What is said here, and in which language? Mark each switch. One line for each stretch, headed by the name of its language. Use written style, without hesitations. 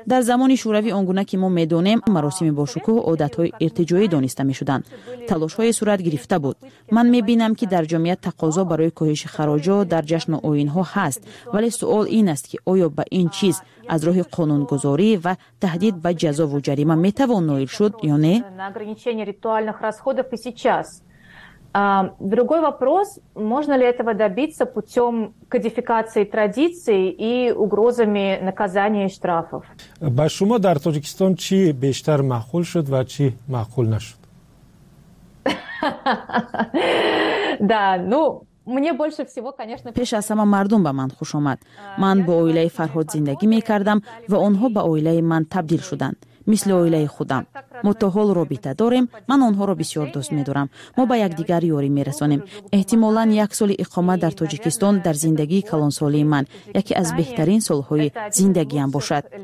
Persian: در زمان شوروی آنگونه که ما میدونیم، مراسم باشکوه عادت های ارتجایی دانسته میشدند. تلاش های صورت گرفته بود. من میبینم که در جامعه تقاضا برای کاهش خراج ها در جشن و آیین ها هست، ولی سوال این است که آیا به این چیز از روح قانونگذاری و تهدید به جزا و جریمه میتوان نایل شد یا نه؟
Russian: на ограничение ритуальных расходов и сейчас. Другой вопрос, можно ли этого добиться путем кодификации традиций и угрозами наказания и штрафов?
Tajik: Ба шумо дар Таҷикистон чи бештар маъқул шуд ва чи маъқул нашуд?
Russian: Да, ну мне больше всего, конечно,
Tajik: пеш а сама мардум ба ман хуш омад. Ман бо оилаи Фарҳод зиндагӣ мекардам ва онҳо ба оилаи ман табдил шуданд.
Persian: مثل اویله خودم. ما تا حال رابطه داریم. من آنها را بسیار دوست می دارم. ما با یک دیگر یاری می رسانیم. احتمالاً یک سال اقامت در تاجیکستان در زندگی کلان سالی من یکی از بهترین سالهای زندگی هم باشد.